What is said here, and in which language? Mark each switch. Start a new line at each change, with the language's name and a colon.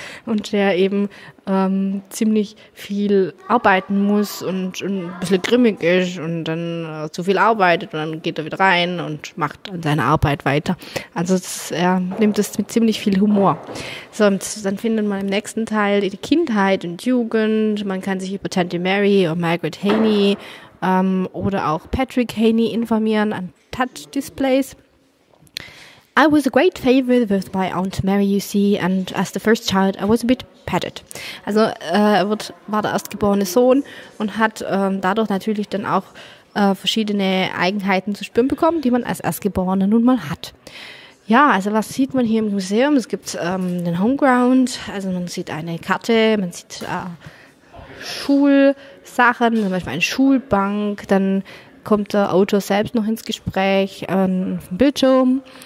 German: und der eben ziemlich viel arbeiten muss und ein bisschen grimmig ist und dann zu viel arbeitet und dann geht er wieder rein und macht an seiner Arbeit weiter. Also er nimmt es mit ziemlich viel Humor. So, und dann findet man im nächsten Teil die Kindheit und Jugend. Man kann sich über Tante Mary oder Margaret Haney oder auch Patrick Haney informieren an Touch-Displays.
English: I was a great favorite with my Aunt Mary, you see, and as the first child I was a bit padded.
German: Also war der erstgeborene Sohn und hat dadurch natürlich dann auch verschiedene Eigenheiten zu spüren bekommen, die man als Erstgeborener nun mal hat. Ja, also was sieht man hier im Museum? Es gibt den Homeground, also man sieht eine Karte, man sieht Schulsachen, zum Beispiel eine Schulbank, dann kommt der Autor selbst noch ins Gespräch auf dem Bildschirm.